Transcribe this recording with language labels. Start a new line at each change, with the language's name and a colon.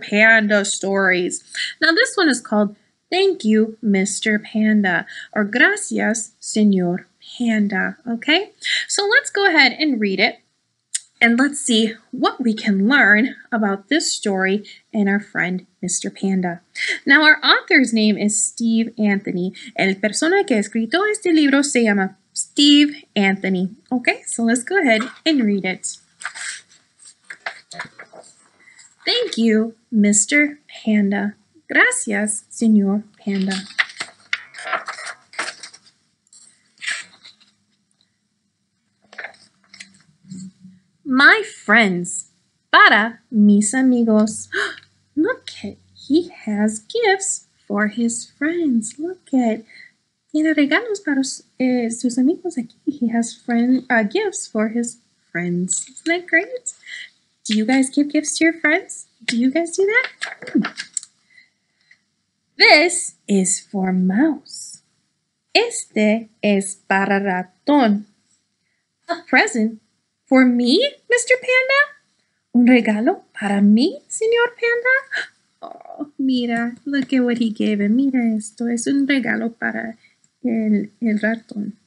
English: Panda stories. Now, this one is called Thank You, Mr. Panda, or
Spanish: Gracias, Señor Panda,
English: okay? So let's go ahead and read it, and let's see what we can learn about this story and our friend Mr. Panda. Now, our author's name is Steve Anthony.
Spanish: El persona que escrito este libro se llama Steve Anthony.
English: Okay, so let's go ahead and read it. Thank you, Mr. Panda.
Spanish: Gracias, Señor Panda.
English: My friends,
Spanish: para mis amigos.
English: Look at, he has gifts for his friends. Look at,
Spanish: tiene regalos para sus amigos aquí.
English: He has gifts for his friends. Isn't that great? Do you guys give gifts to your friends? Do you guys do that? This is for mouse.
Spanish: Este es para ratón.
English: A present. For me, Mr. Panda?
Spanish: Un regalo para mí, Señor Panda?
English: Oh, mira, look at what he gave him.
Spanish: Mira esto, es un regalo para el ratón.